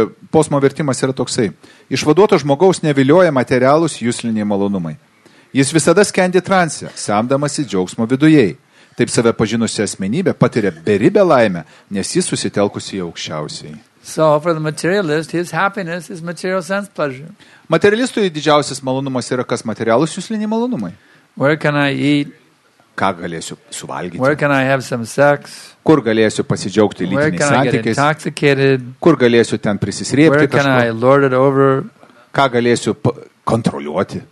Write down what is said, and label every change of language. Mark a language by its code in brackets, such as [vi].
[lt] Posmo vertimas yra toksai. Išvaduoto žmogaus nevilioja materialūs jusliniai malonumai. Jis visada skendi transe, semdamasi džiaugsmo vidujai. Taip save pažinusi asmenybė patiria beribę laimę, nes jis susitelkusi į aukščiausiai. [en] So for the materialist, his happiness is material sense pleasure. [lt] Materialistui didžiausias malonumas yra kas materialūs jusliniai malonumai. [en] Where can I eat? [lt] Ką galėsiu suvalgyti? [en] Where can I have some sex? [lt] Kur galėsiu pasidžiaugti lytiniais santykiais? [en] Where can I get intoxicated? [lt] Kur galėsiu ten prisisriepti kažko? [en] Where can I lord it over? [lt] Ką galėsiu kontroliuoti?